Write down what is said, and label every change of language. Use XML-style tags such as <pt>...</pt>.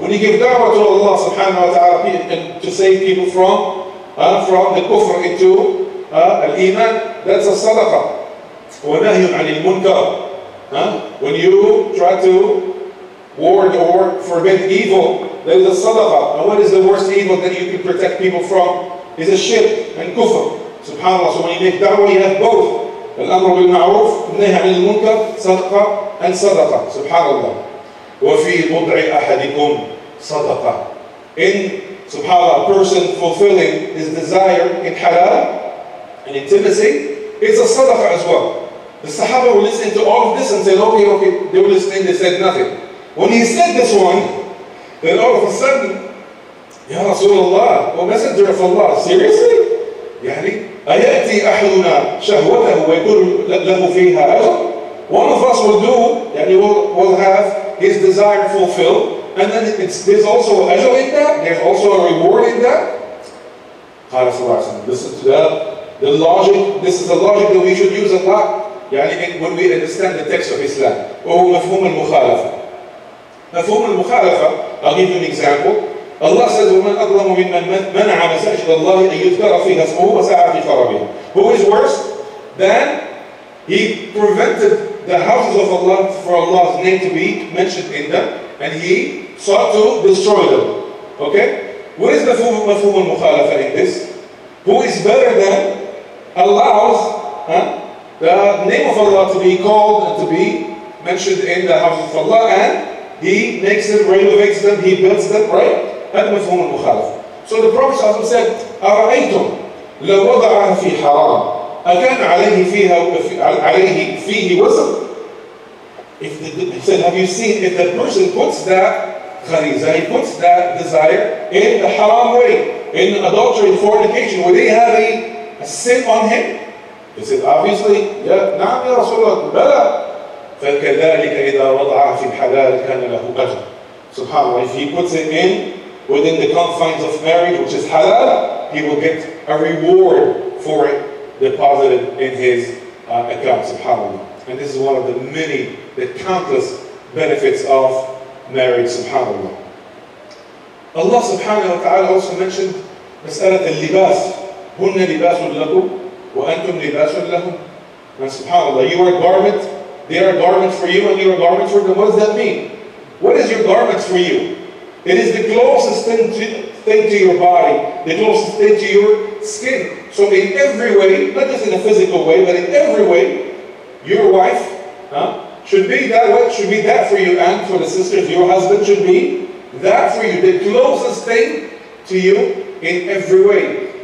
<en>When you give da'wah to Allah subhanahu wa ta'ala and to save people from the kufr into al-iman, that's a sadaqah.</en> <ar>وَنَهْيٌ عَنِ الْمُنْكَرِ,</ar> <en>when you try to ward or forbid evil, that is a sadaqah. And what is the worst evil that you can protect people from? Is a shirk and kufr. SubhanAllah, so when you make da'wah, you have both.</en> <ar>الأمر بالمعروف نهى عن المنكر صدقة أن صدقة سبحان الله وفي بضع أحدكم صدقة.</ar> <en>In subhanAllah, a person fulfilling his desire in halal and intimacy, it's a sadaqah as well. The Sahaba were listening to all of this and said, okay, they were listening, they said nothing. When he said this one, then all of a sudden, Ya Rasulullah, O Messenger of Allah, seriously?</en> <ar>يعني أيأتي أحدنا شهوته ويكون له فيها أجر.</ar> <en>One of us will do, يعني will have his desire fulfilled, and then there's also أجر in that, there's also a reward in that.</en> <ar>قال صلى الله عليه وسلم,</ar> <en>listen to the logic, this is the logic that we should use a lot, يعني when we understand the text of Islam.</en> <ar>وهو مفهوم المخالفة.</ar> <en>مفهوم المخالفة, I'll give you an example. Allah says,</en> <ar>وَمَنْ أَظْلَمُ مِمَّنْ مَنَعَ مَسَاجِدَ اللَّهِ أَنْ يُذْكَرَ فِيهَا اسْمُهُ وَسَعَى فِي خَرَابِهَا.</ar> <en>Who is worse than he prevented the houses of Allah for Allah's name to be mentioned in them, and he sought to destroy them. Okay? What is the مفهوم المخالفة in this? Who is better than allows the name of Allah to be called and to be mentioned in the houses of Allah, and he makes them, renovates them, he builds them, right?</en> <ar>المفهوم المخالف. So the Prophet ﷺ said, أرأيتم لو وضعها في حرام أكان عليه فيها عليه فيه وزر.</ar> <en>If the, he said, have you seen if the person puts that khariza, he puts that desire in the haram way, in adultery, fornication, would he have a sin on him? He said, obviously, yeah,</en> <ar>na'am ya Rasulullah, bala. فَكَذَٰلِكَ إِذَا وَضَعَ فِي الْحَلَالِ كَانَ لَهُ أَجْرٌ.</ar> <en>SubhanAllah, if he puts it in within the confines of marriage, which is halal, he will get a reward for it deposited in his account, SubhanAllah. And this is one of the many, the countless benefits of marriage, SubhanAllah. Allah subhanahu wa ta'ala also mentioned</en> <ar>مسألة اللباس. هن لباس لكم وأنتم لباس لهم.</ar> <en>And SubhanAllah, you are a garment, they are a garment for you, and you are a garment for them. What does that mean? What is your garment for you? It is the closest thing to your body, the closest thing to your skin. So in every way, not just in a physical way, but in every way, your wife should be that for you, and for the sisters, your husband should be that for you, the closest thing to you in every way.</en>